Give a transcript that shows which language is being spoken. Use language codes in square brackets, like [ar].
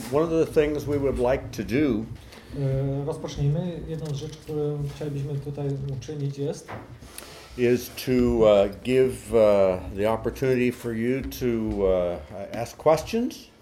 [en] One of the things we would like to do. [pl] Rozpocznijmy. Jedną z rzeczy, którą chcielibyśmy tutaj uczynić, jest. [en] Is to give the opportunity for you to ask questions.